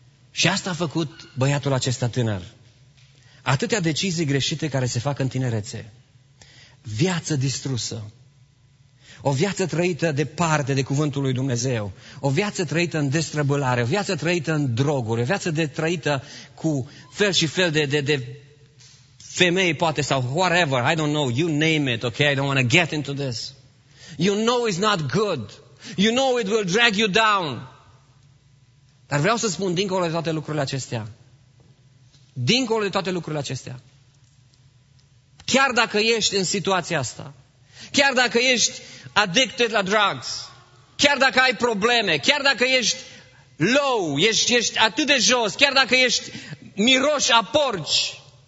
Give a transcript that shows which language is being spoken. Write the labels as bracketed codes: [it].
[ro] Și asta a făcut băiatul acesta tânăr. Atâtea decizii greșite care se fac în tinerețe. Viață distrusă. O viață trăită departe de cuvântul lui Dumnezeu. O viață trăită în destrăbălare. O viață trăită în droguri. O viață trăită cu fel și fel de femei, poate, sau whatever. [en] I don't know. You name it, okay? I don't want to get into this. You know it's not good. You know it will drag you down. [ro] Dar vreau să spun, dincolo de toate lucrurile acestea, dincolo de toate lucrurile acestea, chiar dacă ești în situația asta, chiar dacă ești addicted la drugs, chiar dacă ai probleme, chiar dacă ești low, ești atât de jos, chiar dacă ești miroși a porci,